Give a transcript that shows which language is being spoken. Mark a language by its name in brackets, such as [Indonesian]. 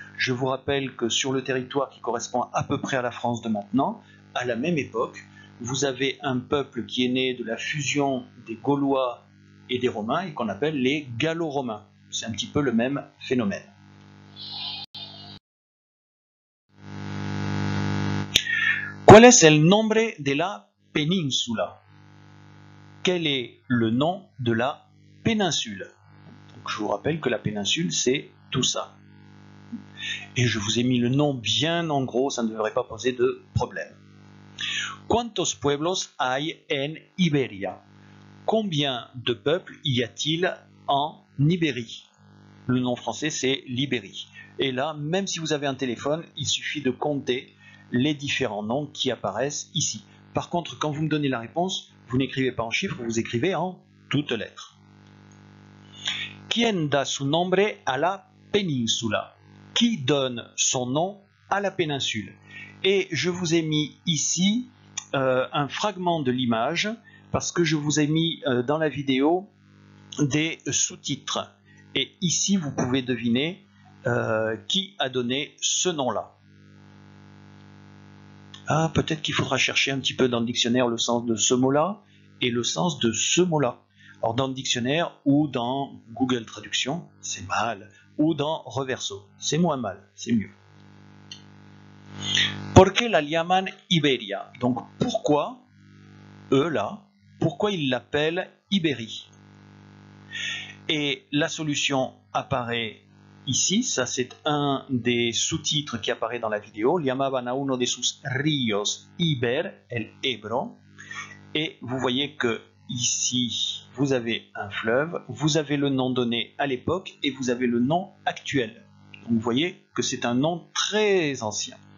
[French] Je vous rappelle que sur le territoire qui correspond à peu près à la France de maintenant, à la même époque, vous avez un peuple qui est né de la fusion des Gaulois et des Romains et qu'on appelle les Gallo-Romains. C'est un petit peu le même phénomène. [Spanish] ¿Cuál es el nombre de la península? [French] Quel est le nom de la péninsule? Donc je vous rappelle que la péninsule, c'est tout ça. Et je vous ai mis le nom bien en gros, ça ne devrait pas poser de problème. [Spanish] ¿Cuántos pueblos hay en Iberia? [French] Combien de peuples y a-t-il en Ibérie? Le nom français, c'est l'Ibérie. Et là, même si vous avez un téléphone, il suffit de compter les différents noms qui apparaissent ici. Par contre, quand vous me donnez la réponse, vous n'écrivez pas en chiffres, vous écrivez en toutes lettres. [Spanish] ¿Quién da su nombre a la península? [French] Qui donne son nom à la péninsule? Et je vous ai mis ici un fragment de l'image parce que je vous ai mis dans la vidéo des sous-titres. Et ici, vous pouvez deviner qui a donné ce nom-là. Ah, peut-être qu'il faudra chercher un petit peu dans le dictionnaire le sens de ce mot-là et le sens de ce mot-là. Alors, dans le dictionnaire ou dans Google Traduction, c'est mal. Ou dans Reverso, c'est moins mal, c'est mieux. [Spanish] ¿Por qué la llaman Iberia? [French] Donc pourquoi, eux là, pourquoi ils l'appellent Ibérie? Et la solution apparaît ici, ça c'est un des sous-titres qui apparaît dans la vidéo. [Spanish] Llamaban a uno de sus ríos Iber, el Ebro. [French] Et vous voyez que ici, vous avez un fleuve, vous avez le nom donné à l'époque et vous avez le nom actuel. Donc vous voyez que c'est un nom très ancien.